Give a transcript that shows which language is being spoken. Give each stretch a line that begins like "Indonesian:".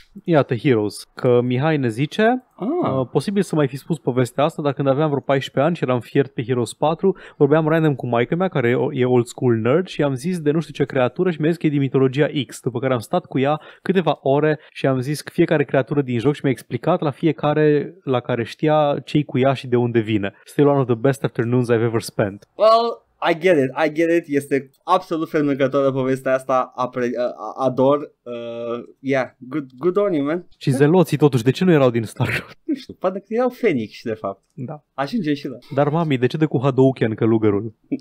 Romanian: Iată, Heroes, că Mihai ne zice posibil să mai fi spus povestea asta, dar când aveam vreo 14 ani și eram fiert pe Heroes 4, vorbeam random cu maica mea, care e old school nerd, și am zis de nu știu ce creatură și mi-a zis că e din mitologia X, după care am stat cu ea câteva ore și am zis fiecare creatură din joc și mi-a explicat la fiecare la care știa ce-i cu ea și de unde vine.
English: Still one of the best afternoons I've ever spent. Well, I get it,
Romanian: este absolut fermecătoră povestea asta, ador,
English: yeah, good on you, man.
Romanian: Și zeloții totuși, de ce nu erau din Starcraft? Nu știu, poate că erau Fenix, de fapt. Da. Ajungem și la. Dar, mami, de ce de cu Hadouken călugărul?